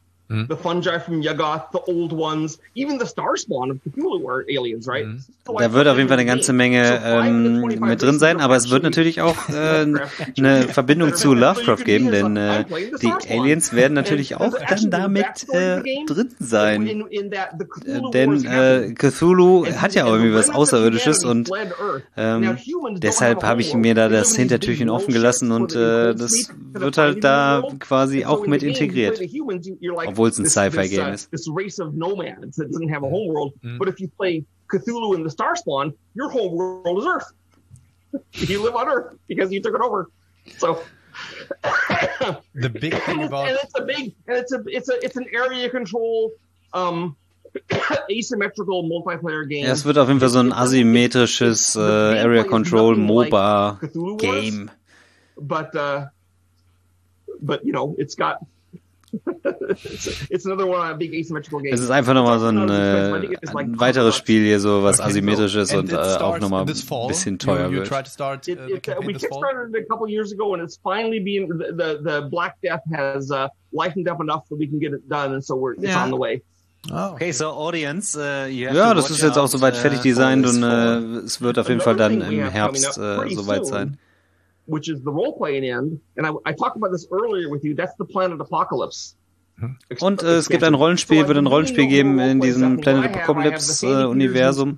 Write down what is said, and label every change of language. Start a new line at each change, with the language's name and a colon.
English: the fungi from Yagoth, the old ones, even the Starspawn of Cthulhu are aliens, right? Mm.
German: So da wird auf jeden Fall eine ganze Menge mit drin sein, aber es wird natürlich auch eine Verbindung zu Lovecraft geben, denn die Aliens werden natürlich auch dann damit drin sein. Denn Cthulhu hat ja auch irgendwie was Außerirdisches und deshalb habe ich mir da das Hintertürchen offen gelassen und das wird halt da quasi auch mit integriert. Obwohl es ein Sci-Fi-Game ist.
English: This race of nomads that doesn't have a home world. Mm. But if you play Cthulhu in the Starspawn, your home world is Earth. You live on Earth because you took it over. So the big thing about it's an area control asymmetrical multiplayer game.
German: Ja, es wird auf jeden Fall so ein asymmetrisches Area Control MOBA like game.
English: But you know, it's got it's another one of big asymmetrical games.
German: Es ist einfach nochmal so ein weiteres Spiel hier, so was asymmetrisches und auch nochmal ein bisschen teuer wird.
English: We kickstarted it a couple years ago and it's finally been the Black Death has lightened up enough that we can get it done and so it's on the way. Oh, okay, so audience,
German: ja, das ist jetzt auch soweit fertig designed und es wird auf jeden Fall dann im Herbst soweit sein.
English: Which is the role-playing end, and I talked about this earlier with you, that's the Planet Apocalypse.
German: Und es gibt ein Rollenspiel, wird ein Rollenspiel geben in diesem Planet Apocalypse-Universum.